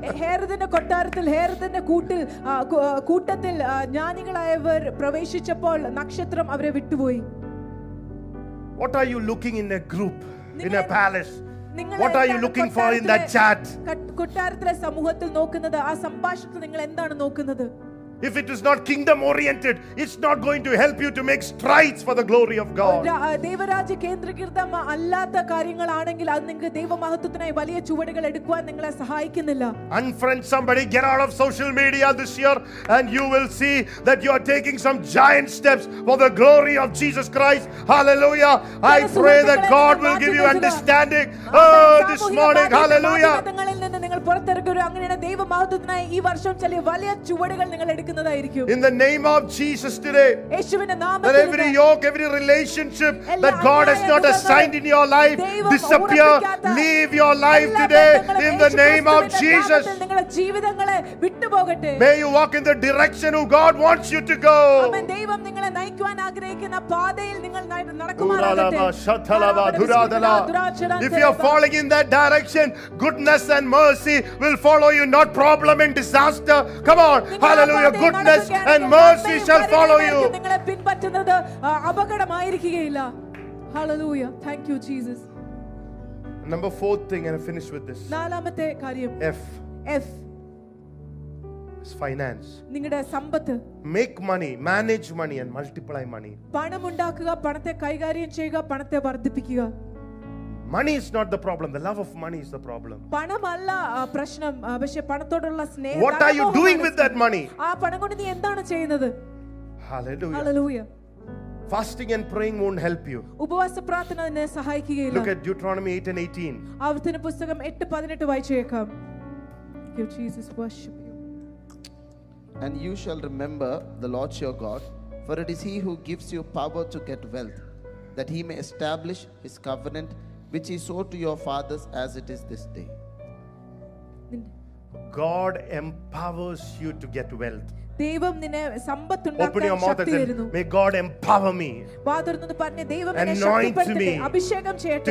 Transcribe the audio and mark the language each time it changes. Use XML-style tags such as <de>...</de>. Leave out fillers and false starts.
<ml>ഹെരോദിന്റെ കൊട്ടാരത്തിൽ ഹെരോദിന്റെ കൂട്ടത്തിൽ ജ്ഞാനികളായവർ പ്രവേശിച്ചപ്പോൾ നക്ഷത്രം അവരെ വിട്ടുപോയി.</ml> <en>What are you looking in a group, in a palace? What are you looking for in that chat?</en> <ml>കൊട്ടാരത്തിലെ സമൂഹത്തിൽ നോക്കുന്നത്, ആ സംഭാഷണത്തിൽ നിങ്ങൾ എന്താണ് നോക്കുന്നത്?</ml> <en>If it is not kingdom oriented, it's not going to help you to make strides for the glory of God.</en> <ml>ദൈവരാജ്യ കേന്ദ്രീകൃതമ അല്ലാത്ത കാര്യങ്ങളാണെങ്കിൽ അത് നിങ്ങൾക്ക് ദൈവമഹത്വത്തിനായി വലിയ ചുവടുകൾ എടുക്കാൻ നിങ്ങളെ സഹായിക്കുന്നില്ല.</ml> <en>Unfriend somebody, get out of social media this year and you will see that you are taking some giant steps for the glory of Jesus Christ. Hallelujah. I pray that God will give you understanding this morning. Hallelujah.</en> <ml>നിങ്ങൾ പുറത്തിറങ്ങുക, അങ്ങനെയാണ് ദൈവമഹത്വത്തിനായി ഈ വർഷം ചെറിയ വലിയ ചുവടുകൾ നിങ്ങൾ എടുക്കുന്നതായിരിക്കും.</ml> <en>In the name of Jesus today,</en> <ml>യേശുവിന്റെ നാമത്തിൽ</ml> <en>every yoke, every relationship that God has not assigned in your life, disappear, leave your life today in the name of Jesus.</en> <ml>നിങ്ങളുടെ ജീവിതങ്ങളെ വിട്ടുപോകട്ടെ.</ml> <en>May you walk in the direction who God wants you to go.</en> <ml>അമേൻ. ദൈവം നിങ്ങളെ നയിക്കാൻ ആഗ്രഹിക്കുന്ന പാതയിൽ നിങ്ങൾ നടക്കുമാറാകട്ടെ.</ml> <en>If you are falling in that direction, goodness and mercy will follow you, not problem and disaster. Come on, hallelujah. Goodness and mercy shall follow you.</en> <ml>നിങ്ങളെ പിൻപറ്റുന്നത് അപകടമായിരിക്കുകയില്ല.</ml> <en>Hallelujah. Thank you, Jesus. Number fourth thing, and I finish with this.</en> <ml>നാലാമത്തെ കാര്യം</ml> <en>F is finance.</en> <ml>നിങ്ങളുടെ സമ്പത്ത്.</ml> <en>Make money, manage money and multiply money.</en> <ml>പണം ഉണ്ടാക്കുക, പണത്തെ കൈകാര്യം ചെയ്യുക, പണത്തെ വർദ്ധിപ്പിക്കുക.</ml> <en>Money is not the problem, the love of money is the problem.</en> <ml>പണം അല്ല പ്രശ്നം, പക്ഷേ പണത്തോടുള്ള സ്നേഹം.</ml> <en>What are you doing with that money?</en> <ml>ആ പണം കൊണ്ട് നീ എന്താണ് ചെയ്യുന്നത്?</ml> <en>Hallelujah. Hallelujah. Fasting and praying won't help you.</en> <ml>ഉപവാസ പ്രാർത്ഥന നിന്നെ സഹായിക്കുകയില്ല.</ml> <en>Look at Deuteronomy 8:18.</en> <ml>ആവർത്തന പുസ്തകം 8:18 വായിച്ചേക്കാം.</ml> <en>Give Jesus worship. And you shall remember the Lord your God, for it is he who gives you power to get wealth, that he may establish his covenant which he swore to your fathers as it is this day. God empowers you to get wealth.</en> <ml>ദൈവം നിന്നെ സമ്പത്ത് ഉണ്ടാക്കാൻ ശക്തിയേരുന്നു.</ml> <en>May God empower me.</en> <ml>പാതരുന്നത് പറഞ്ഞു, ദൈവം എന്നെ ശക്തിപ്പെടുത്തി അഭിഷേകം ചെയ്യട്ടെ.</ml>